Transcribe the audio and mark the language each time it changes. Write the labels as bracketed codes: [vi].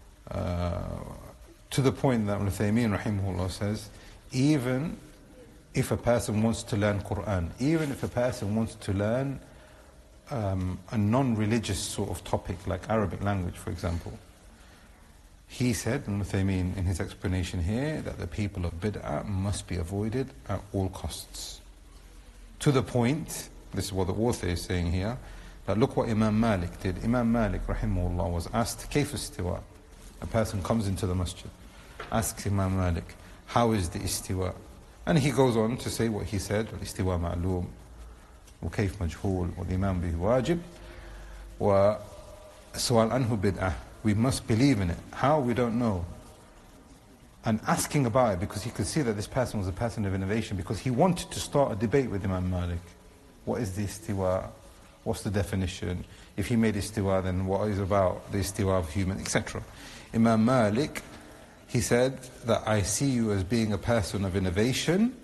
[en] To the point that Uthaymeen rahimahullah says, even if a person wants to learn Qur'an, even if a person wants to learn a non-religious sort of topic like Arabic language, for example, he said, Uthaymeen, in his explanation here, that the people of bid'ah must be avoided at all costs. To the point, this is what the author is saying here, that look what Imam Malik did. Imam Malik, rahimahullah, was asked, [ar] كيف استواء? [en] A person comes into the masjid, asks Imam Malik, how is the istiwa? And he goes on to say what he said, [ar] الاستواء معلوم وكيف مجهول والإيمان به واجب وسؤال عنه بدعة. [en] We must believe in it. How? We don't know. And asking about it, because he could see that this person was a person of innovation, because he wanted to start a debate with Imam Malik. What is the istiwa? What's the definition? If he made istiwa, then what is about the istiwa of human, etc. Imam Malik, he said that I see you as being a person of innovation.